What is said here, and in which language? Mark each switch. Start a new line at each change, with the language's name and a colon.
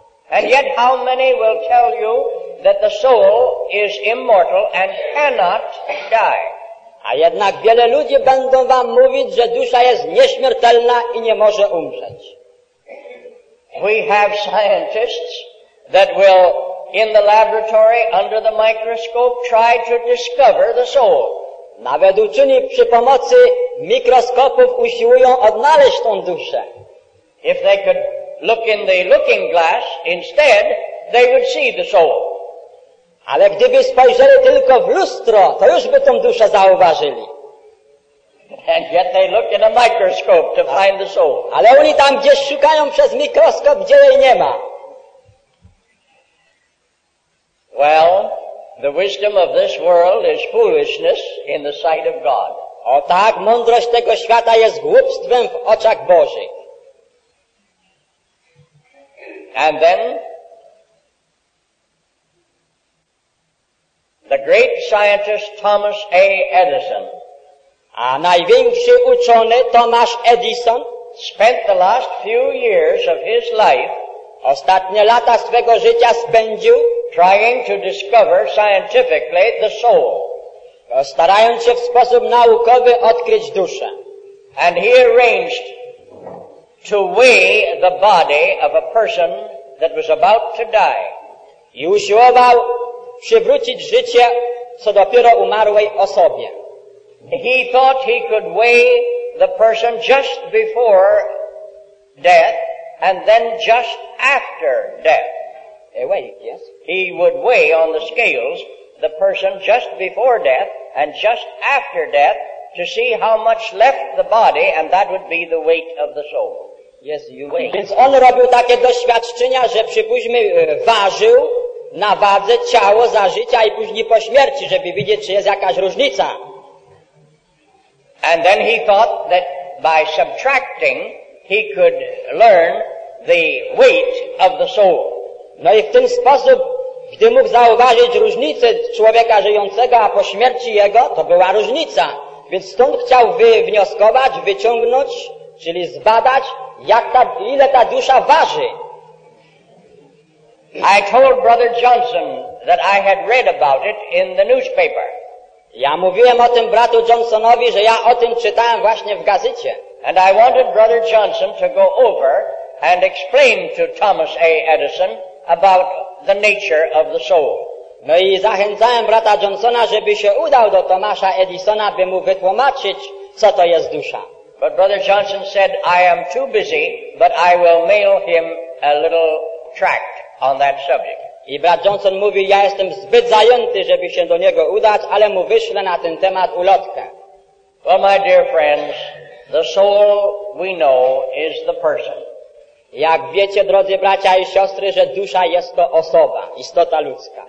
English: And yet how many will tell you that the soul is immortal and cannot die.
Polish: A jednak wiele ludzi będą wam mówić, że dusza jest nieśmiertelna i nie może umrzeć.
English: We have scientists that will, in the laboratory, under the microscope, try to discover the soul.
Polish: Nawet uczeni przy pomocy mikroskopów usiłują odnaleźć tą duszę.
English: If they could look in the looking glass instead, they would see the soul.
Polish: Ale gdyby spojrzeli tylko w lustro, to już by tą duszę zauważyli.
English: And yet they look in a microscope to find the soul.
Polish: Ale oni tam gdzieś szukają przez mikroskop, gdzie jej nie ma.
English: Well, the wisdom of this world is foolishness in the sight of God.
Polish: O tak, mądrość tego świata jest głupstwem w oczach Bożych.
English: And then, the great scientist Thomas A. Edison.
Polish: A największy uczony Thomas Edison
English: spent the last few years of his life.
Polish: Ostatnie lata swego życia spędził
English: trying to discover scientifically the soul.
Polish: Starając się w sposób naukowy odkryć duszę.
English: And he arranged to weigh the body of a person that was about to die.
Polish: I usiłował przywrócić życie co dopiero umarłej osobie.
English: He thought he could weigh the person just before death and then just after death. Wait, yes. He would weigh on the scales the person just before death and just after death to see how much left the body and that would be the weight of the soul. Yes, you weigh.
Polish: Więc on robił takie doświadczenia, że przypuśćmy ważył na wadze ciało za życia i później po śmierci, żeby widzieć, czy jest jakaś różnica.
English: And then he thought that by subtracting he could learn the weight of the soul.
Polish: No i w ten sposób, gdy mógł zauważyć różnicę człowieka żyjącego, a po śmierci jego, to była różnica. Więc stąd chciał wywnioskować, wyciągnąć, czyli zbadać, jak ta, ile ta dusza waży.
English: I told Brother Johnson that I had read about it in the newspaper.
Polish: Ja mówiłem o tym bratu Johnsonowi, że ja o tym czytałem właśnie w gazecie.
English: And I wanted Brother Johnson to go over and explain to Thomas A. Edison about the nature of the soul.
Polish: No i zachęcałem brata Johnsona, żeby się udał do Tomasza Edisona, by mu wytłumaczyć, co to jest dusza.
English: But Brother Johnson said, I am too busy, but I will mail him a little tract on that subject.
Polish: I brat Johnson mówi, ja jestem zbyt zajęty, żeby się do niego udać, ale mu wyślę na ten temat ulotkę.
English: Well, my dear friends, the soul we know is the person.
Polish: Jak wiecie, drodzy bracia i siostry, że dusza jest to osoba, istota ludzka.